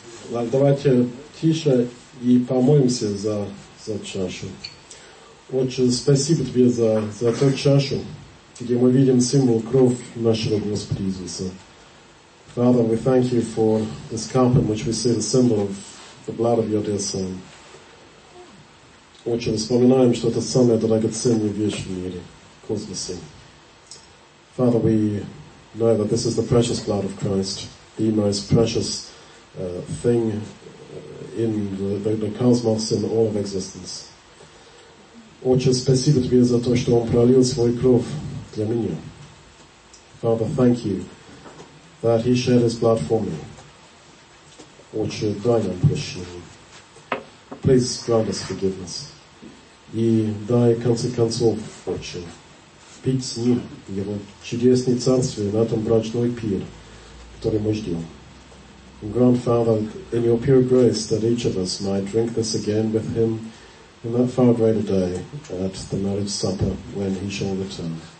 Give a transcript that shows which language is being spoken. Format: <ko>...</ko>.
<ru>Давайте тише и помолимся за чашу. Отче, спасибо Тебе за ту чашу, где мы видим символ крови нашего Господа Иисуса.</ru> <en>Father, we thank You for this cup in which we see the symbol of the blood of Your dear Son.</en> <ru>Отче, вспоминаем, что это самая драгоценная вещь в мире, Господь Сын.</ru> <en>Father, we know that this is the precious blood of Christ, the most precious thing in the cosmos, in all of existence.</en> <ru>Отче, спасибо Тебе за то, что Он пролил Свою кровь для меня.</ru> <en>Father, thank You that He shed His blood for me.</en> <ru>Отче, дай нам прощение.</ru> <en>Please grant us forgiveness.</en> <ru>И дай, в конце концов, Отче, пить с Ним в Его чудесное царствие на этом брачной пир, который мы ждем.</ru> <en>And grant, Father, in Your pure grace, that each of us might drink this again with Him in that far greater day at the marriage supper when He shall return.</en>